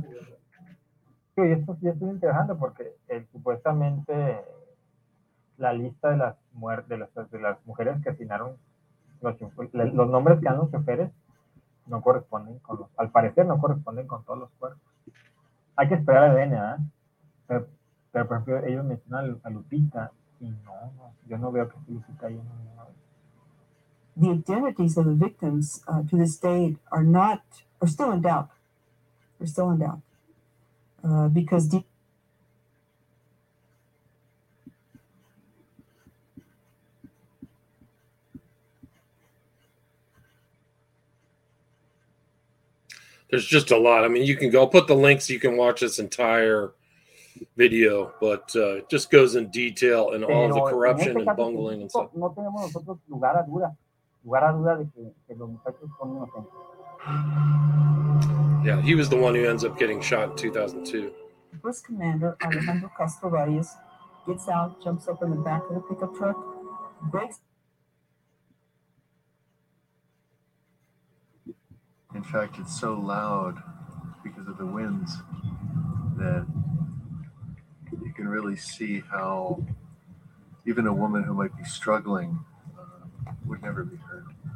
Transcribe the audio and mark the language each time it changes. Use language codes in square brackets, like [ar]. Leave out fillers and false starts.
[es] jubilación. Y esto sí es muy interesante porque supuestamente la lista de las muertes, de las mujeres que asesinaron los nombres que dan los choferes, no corresponden con los, al parecer no corresponden con todos los cuerpos. Hay que esperar ADN, ¿eh? Pero por ejemplo, ellos mencionan a Lupita y no, no, yo no veo que Lupita haya no. [en] The identities of the victims to this day are not, are still in doubt. They're still in doubt. Because deep. There's just a lot. I mean, you can go, I'll put the links, you can watch this entire video, but it just goes in detail and all the corruption and bungling and stuff. [es] No tenemos nosotros lugar a duda. Lugar a duda de que los muchachos son inocentes. [en] Yeah, he was the one who ends up getting shot in 2002. Bus commander Alejandro Castro Reyes gets out, jumps up in the back of the pickup truck, breaks. In fact, it's so loud because of the winds that you can really see how even a woman who might be struggling would never be heard.